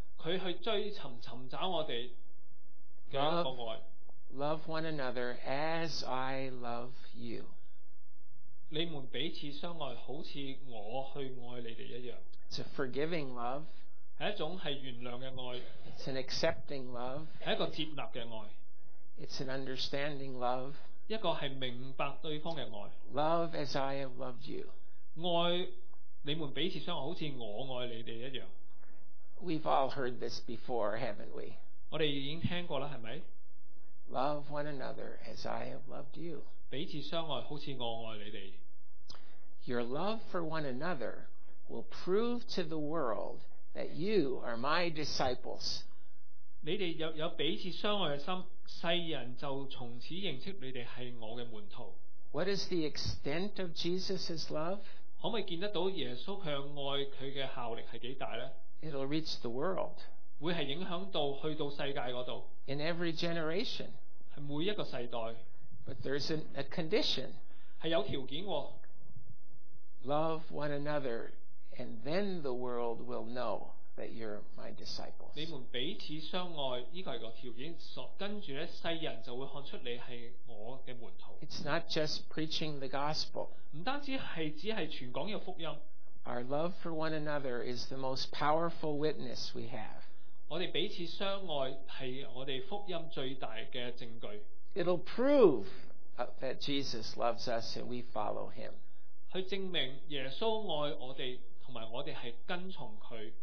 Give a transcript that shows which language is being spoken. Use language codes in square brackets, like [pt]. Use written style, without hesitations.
[zh] 他去追寻寻找我们的一个爱。 [en] Love one another as I love you. [zh] 你们彼此相爱，好像我去爱你们一样。 [en] It's a forgiving love. [zh] 是一种是原谅的爱。 [en] It's an accepting love. [zh] 是一个接纳的爱。 [en] It's an understanding love. [zh] 一个是明白对方的爱。 [en] Love as I have loved you. [zh] 爱你们彼此相爱，好像我爱你们一样。 [en] We've all heard this before, haven't we? [zh] 我们已经听过了，是不是？ [en] Love one another as I have loved you. [zh] 彼此相爱，好像我爱你们。 [en] Your love for one another will prove to the world that you are my disciples. [zh] 你们 有彼此相爱的心，世人就从此认识你们是我的门徒。 [en] What is the extent of Jesus's love? [zh] 可不可以见得到耶稣他的爱，他的效力是多大呢？ [en] It'll reach the world. [zh] 会是影响到去到世界那里。 [en] In every generation. [zh] 是每一个世代。 [en] But there's a condition. [zh] 是有条件的。 [en] Love one another, and then the world will know. That you're my disciples. [zh] 你们彼此相爱，这个是个条件，跟着呢，世人就会看出你是我的门徒。 [en] It's not just preaching the gospel. [zh] 不单止是只是传讲这个福音。 [en] Our love for one another is the most powerful witness we have. [zh] 我们彼此相爱是我们福音最大的证据。 [en] It'll prove that Jesus loves us and we follow him. [zh] 去证明耶稣爱我们，同埋我们是跟从他。